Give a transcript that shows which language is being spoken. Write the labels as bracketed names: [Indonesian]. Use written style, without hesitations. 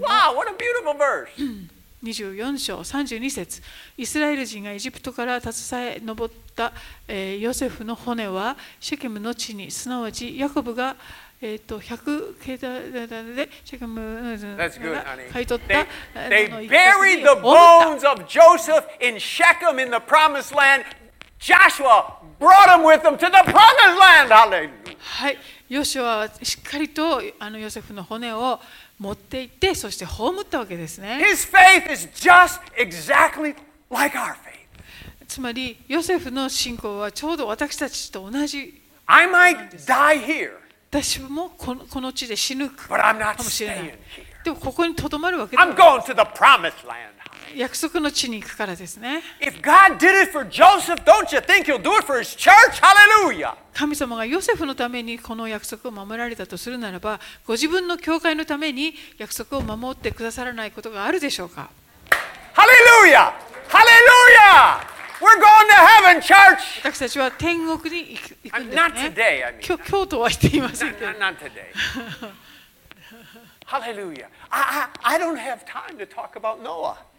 [English] の。Wow, what a beautiful verse. [Japanese] 24章32節、イスラエル人がエジプトから携え上った、ヨセフの骨はシェケムの地に、すなわちヤコブが、100ケダでシェケムが買い取った [English] They buried the bones of Joseph in Shechem in the promised land. Joshua brought them with him to the promised land. Hallelujah. [Japanese] はい、ヨシュアはしっかりとヨセフの骨を持って行って、そして葬ったわけですね。 [English] His faith is just exactly like our faith. [Japanese] つまり、ヨセフの信仰はちょうど私たちと同じ。 [English] I might die here. [Japanese] 私もこの地で死ぬかもしれない。でもここに留まるわけ [English] だ。I'm going to the promised land. [Japanese] 約束の地に行くからですね。 [English] If God did it for Joseph, don't you think he'll do it for his church? Hallelujah! [Japanese] 神様がヨセフのためにこの約束を守られたとするならば、ご自分の教会のために約束を守ってくださらないことがあるでしょうか。 [English] ハレルヤ、ハレルヤ、We're going to heaven, church. [Japanese] 私たちは天国に行くんですね。 [English] Not today, I mean. [Japanese] 今日とは言っていませんけど。 [English] Not today. Hallelujah. I don't have time to talk about Noah.